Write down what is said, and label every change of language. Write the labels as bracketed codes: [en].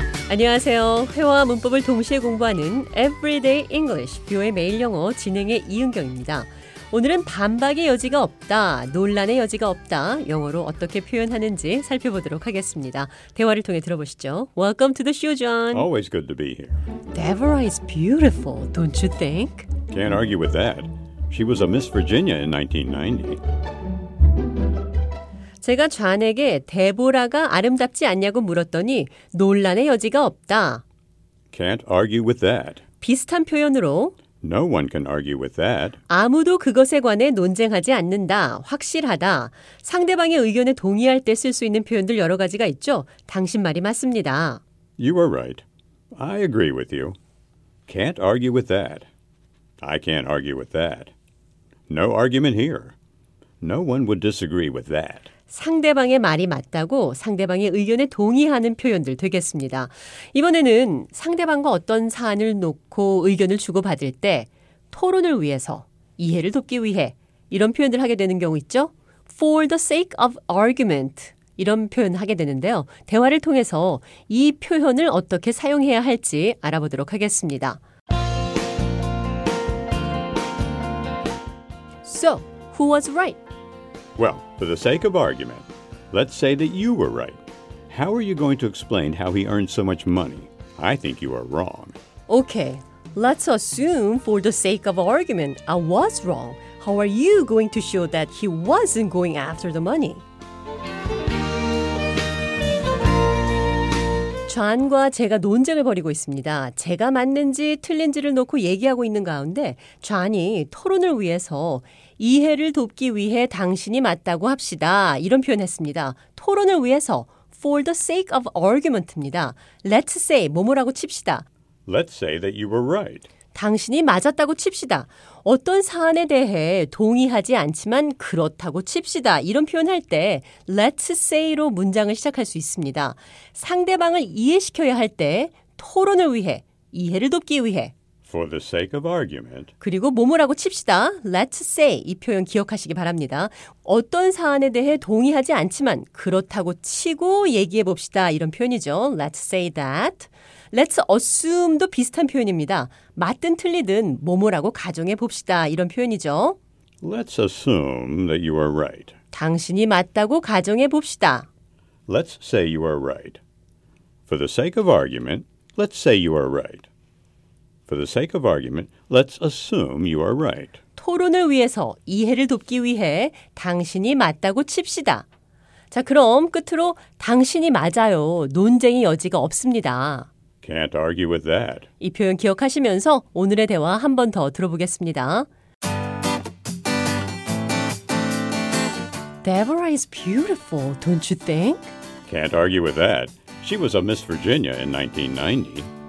[ko] 안녕하세요. 회화와 문법을 동시에 공부하는 Everyday English, 뷰의 매일 영어 진행의 이은경입니다. 오늘은 반박의 여지가 없다, 논란의 여지가 없다, 영어로 어떻게 표현하는지 살펴보도록 하겠습니다. 대화를 통해 들어보시죠. [en] Welcome to the show, John. Always good to be here. Deborah is beautiful, don't you think? Can't argue with that. She was a Miss Virginia in 1990. [ko] 제가 존에게 데보라가 아름답지 않냐고 물었더니 논란의 여지가 없다. [en] Can't argue with that. [ko] 비슷한 표현으로 [en] No one can argue with that. [ko] 아무도 그것에 관해 논쟁하지 않는다. 확실하다. 상대방의 의견에 동의할 때 쓸 수 있는 표현들 여러 가지가 있죠. 당신 말이 맞습니다. [en] You are right. I agree with you. Can't argue with that. I can't argue with that. No argument here. No one would disagree with that. [ko] 상대방의 말이 맞다고 상대방의 의견에 동의하는 표현들 되겠습니다. 이번에는 상대방과 어떤 사안을 놓고 의견을 주고받을 때 토론을 위해서, 이해를 돕기 위해 이런 표현들 하게 되는 경우 있죠? [en] For the sake of argument [ko] 이런 표현 하게 되는데요. 대화를 통해서 이 표현을 어떻게 사용해야 할지 알아보도록 하겠습니다. [en] So, who was right? Well, for the sake of argument, let's say that you were right. How are you going to explain how he earned so much money? I think you are wrong. Okay, let's assume for the sake of argument, I was wrong. How are you going to show that he wasn't going after the money? [ko] 존과 제가 논쟁을 벌이고 있습니다. 제가 맞는지 틀린지를 놓고 얘기하고 있는 가운데 존이 토론을 위해서 이해를 돕기 위해 당신이 맞다고 합시다. 이런 표현했습니다. 토론을 위해서 [en] for the sake of argument입니다. Let's say [ko] 뭐뭐라고 칩시다. [en] Let's say that you were right. [ko] 당신이 맞았다고 칩시다. 어떤 사안에 대해 동의하지 않지만 그렇다고 칩시다. 이런 표현할 때 let's say로 문장을 시작할 수 있습니다. 상대방을 이해시켜야 할 때 토론을 위해, 이해를 돕기 위해 [en] For the sake of argument. [ko] 그리고 뭐뭐라고 칩시다. [en] Let's say [ko] 이 표현 기억하시기 바랍니다. 어떤 사안에 대해 동의하지 않지만 그렇다고 치고 얘기해 봅시다. 이런 표현이죠. [en] Let's say that. Let's assume [ko] 도 비슷한 표현입니다. 맞든 틀리든 뭐뭐라고 가정해 봅시다. 이런 표현이죠. [en] Let's assume that you are right. [ko] 당신이 맞다고 가정해 봅시다. [en] Let's say you are right. For the sake of argument, let's say you are right. For the sake of argument, let's assume you are right. [ko] 토론을 위해서, 이해를 돕기 위해 당신이 맞다고 칩시다. 자, 그럼 끝으로 당신이 맞아요. 논쟁의 여지가 없습니다. [en] Can't argue with that. [ko] 이 표현 기억하시면서 오늘의 대화 한 번 더 들어보겠습니다. [en] Deborah is beautiful, don't you think? Can't argue with that. She was a Miss Virginia in 1990.